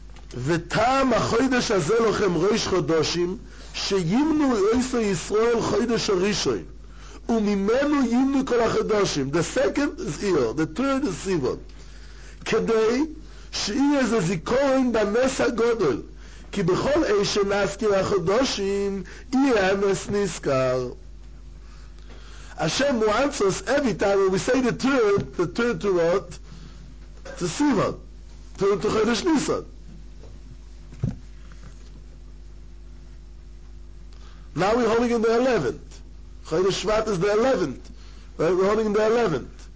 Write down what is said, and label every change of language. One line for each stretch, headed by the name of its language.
Hebrew: V'tam ha-chodesh hazeh lochem roish chodoshim, שימנו עשו ישראל חודש הראשון וממנו ימנו כל החדושים.
English: The second is Iyar, the third is Sivan.
Hebrew: כדי שיהיה זה זיכורן בנס הגודל, כי בכל אשר נזכיר החדושים יהיה הנס נזכר.
English: השם wants us every time when we say the third to what? To Sivan, third to חודש ניסן. Now we're holding in the 11th. Chodesh Shvat is the 11th. Right? We're holding in the 11th.